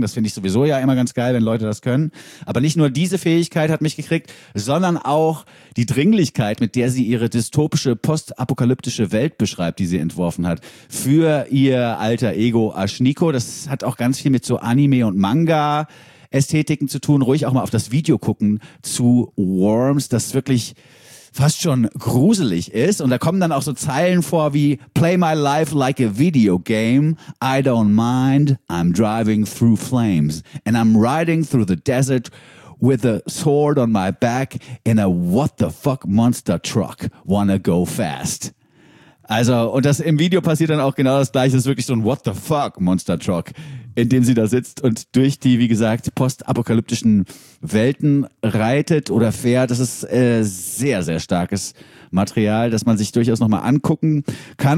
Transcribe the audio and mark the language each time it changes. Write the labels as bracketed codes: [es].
[de] Das finde ich sowieso ja immer ganz geil, wenn Leute das können. Aber nicht nur diese Fähigkeit hat mich gekriegt, sondern auch die Dringlichkeit, mit der sie ihre dystopische, postapokalyptische Welt beschreibt, die sie entworfen hat, für ihr alter Ego Ashniko. Das hat auch ganz viel mit so Anime und Manga Ästhetiken zu tun. Ruhig auch mal auf das Video gucken zu Worms, das wirklich fast schon gruselig ist. Und da kommen dann auch so Zeilen vor wie [en] Play my life like a video game. I don't mind. I'm driving through flames. And I'm riding through the desert with a sword on my back in a what the fuck monster truck. Wanna go fast. [de] Also, und das im Video passiert dann auch genau das Gleiche. Es ist wirklich so ein [en] what the fuck monster truck, [de] in dem sie da sitzt und durch die, wie gesagt, postapokalyptischen Welten reitet oder fährt. Das ist sehr, sehr starkes Material, das man sich durchaus nochmal angucken kann.